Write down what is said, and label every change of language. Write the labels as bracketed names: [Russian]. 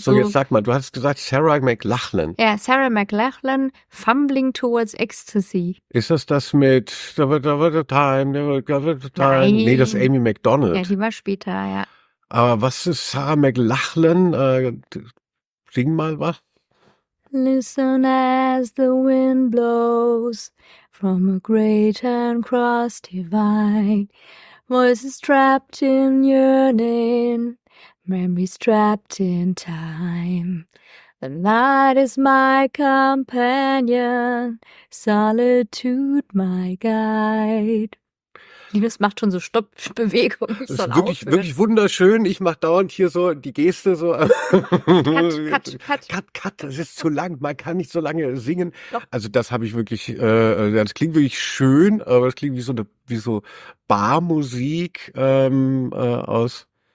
[German] So, jetzt sag mal, du hast gesagt Sarah McLachlan. Ja, Sarah McLachlan. Lachlan, Fumbling Towards Ecstasy. Ist das das mit Time? Nee, das ist Amy McDonald. Ja, die war später, ja. Aber was ist Sarah McLachlan? Sing mal was. [English] Listen as the wind blows from a great and cross divide. Voices trapped in yearning, memories trapped in time. The night is my companion, solitude my guide. [German] Liebes macht schon so Stoppbewegung. Das ist wirklich, wirklich wunderschön. Ich mache dauernd hier so die Geste so. Cut. Das ist zu lang. Man kann nicht so lange singen. Doch. Also das habe ich wirklich, das klingt wirklich schön, aber das klingt wie so eine, wie so Barmusik aus.